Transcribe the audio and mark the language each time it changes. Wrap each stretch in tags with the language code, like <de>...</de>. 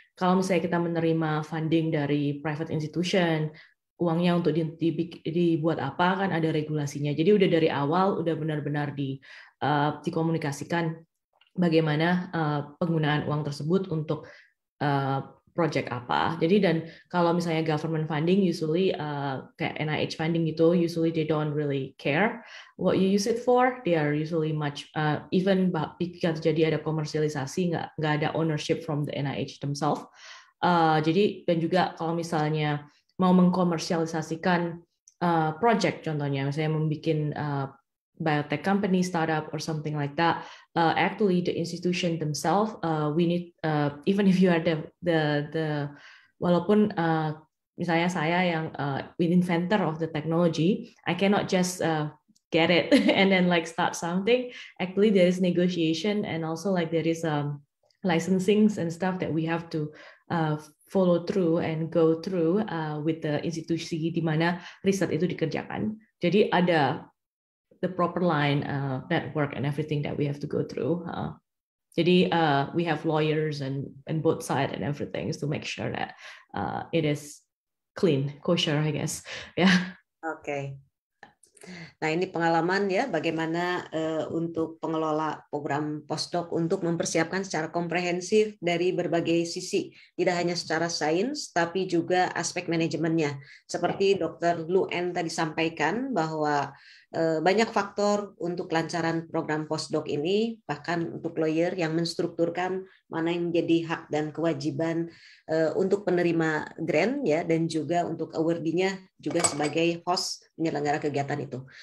<id>Kalau misalnya kita menerima funding dari private institution, uangnya untuk dibuat apa kan ada regulasinya. Jadi udah dari awal udah benar-benar dikomunikasikan bagaimana penggunaan uang tersebut untuk project apa. Jadi dan kalau misalnya</id> <en>government funding usually</en> <id>kayak</id> <en>NIH funding</en> <id>gitu,</id> <en>usually they don't really care what you use it for. They are usually much even</en> <id>jika terjadi ada komersialisasi nggak ada</id> <en>ownership from the NIH themselves.</en> <id>Jadi dan juga kalau misalnya mau mengkomersialisasikan project contohnya misalnya membuat biotech company startup</id> <en>or something like that. Actually, the institution themselves, we need even if you are the</en> <id>walaupun misalnya saya yang</id> <en>inventor of the technology, I cannot just get it and then like start something. Actually, there is negotiation and also like there is licensing and stuff that we have to follow through and go through with the institusi</en> <id>di mana riset itu dikerjakan. Jadi ada</id> <en>the proper line network and everything that we have to go through. Jadi we have lawyers and both side and everything to make sure that it is clean, kosher, I guess. Yeah. Okay.</en> <id>Nah, ini pengalaman ya bagaimana untuk pengelola program postdoc untuk mempersiapkan secara komprehensif dari berbagai sisi, tidak hanya secara sains tapi juga aspek manajemennya. Seperti Dr. Lu En tadi sampaikan bahwa banyak faktor untuk kelancaran program postdoc ini, bahkan untuk lawyer yang menstrukturkan mana yang menjadi hak dan kewajiban untuk penerima grant ya, dan juga untuk awardee-nya juga sebagai host penyelenggara kegiatan itu.</id>